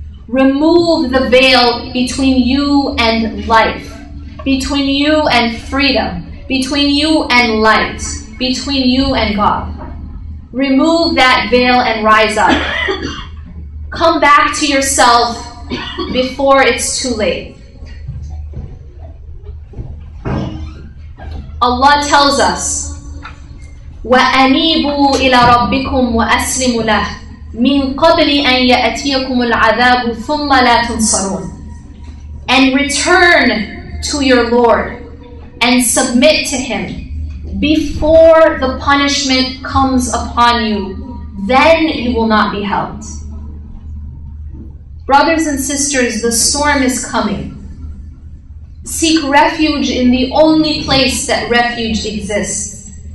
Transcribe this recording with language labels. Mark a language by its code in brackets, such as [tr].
[en] Remove the veil between you and life, between you and freedom, between you and light, between you and God. Remove that veil and rise up. Come back to yourself before it's too late. Allah tells us, [ar] وَأَنِيبُوا إِلَىٰ رَبِّكُمْ وَأَسْلِمُوا لَهُ مِنْ قَبْلِ أَنْ يَأْتِيَكُمُ الْعَذَابُ ثُمَّ لَا تُنْصَرُونَ. [en] and return to your Lord and submit to Him before the punishment comes upon you, then you will not be helped. Brothers and sisters, the storm is coming. Seek refuge in the only place that refuge exists.